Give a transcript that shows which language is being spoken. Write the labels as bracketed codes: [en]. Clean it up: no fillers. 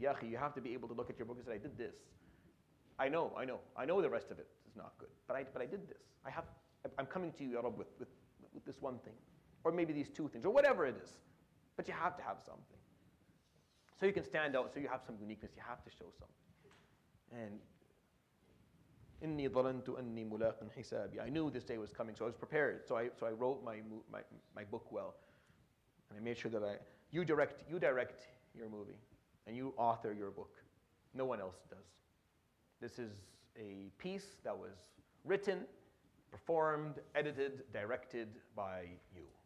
[en] Yahi, you have to be able to look at your book and say, I did this. I know the rest of it is not good, but I did this. I'm coming to you, Ya Rabb, with this one thing, or maybe these two things, or whatever it is, but you have to have something. So you can stand out, so you have some uniqueness, you have to show something. [ar] And إِنِّي ظَلَنْتُ أَنِّي مُلَاقٍ حِسَابِي. [en] I knew this day was coming, so I was prepared. So I wrote my book well, and I made sure that you direct your movie, and you author your book. No one else does. This is a piece that was written, performed, edited, directed by you.